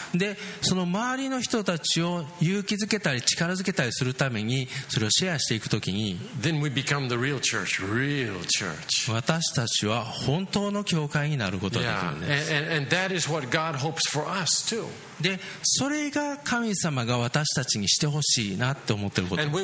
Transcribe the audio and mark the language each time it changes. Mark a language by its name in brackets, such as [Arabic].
[Japanese] でその周りの人たちを勇気づけたり力づけたりするためにそれをシェアしていく時に [English] then we become the real church, real church. [Japanese] 私たちは本当の教会になることができるんです。 [English] And that is what God hopes for us too. [Japanese] でで、それが神様が私たちにしてほしいなと思っていること。